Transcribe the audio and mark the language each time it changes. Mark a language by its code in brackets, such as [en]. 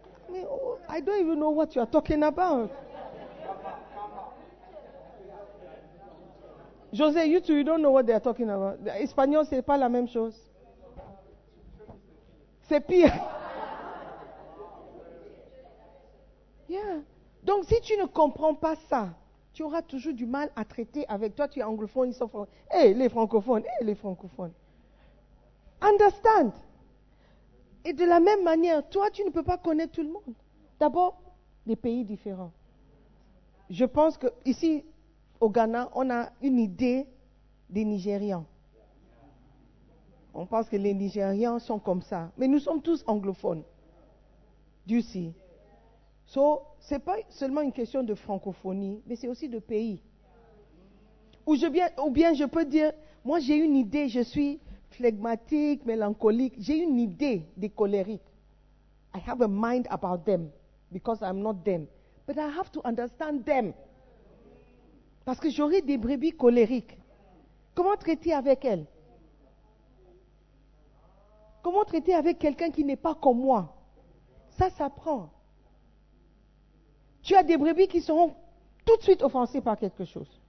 [en] Mais oh, I don't even know what you are talking about. José, you too, you don't know what they are talking about. [fr] Espagnol, c'est pas la même chose. C'est pire. Yeah. Donc, si tu ne comprends pas ça, tu auras toujours du mal à traiter avec toi. Tu es anglophone, ils sont francophones. Hey, les francophones. Hey, les francophones. Understand. Et de la même manière, toi, tu ne peux pas connaître tout le monde. D'abord, des pays différents. Je pense que ici, au Ghana, on a une idée des Nigérians. On pense que les Nigérians sont comme ça. Mais nous sommes tous anglophones. [en] You see? [fr] So, ce n'est pas seulement une question de francophonie, mais c'est aussi de pays. Ou bien je peux dire, moi j'ai une idée, je suis phlegmatique, mélancolique. J'ai une idée des colériques. [en] I have a mind about them because I'm not them. But I have to understand them. [fr] Parce que j'aurai des brebis colériques. Comment traiter avec elles? Comment traiter avec quelqu'un qui n'est pas comme moi? Ça s'apprend. Tu as des brebis qui seront tout de suite offensées par quelque chose.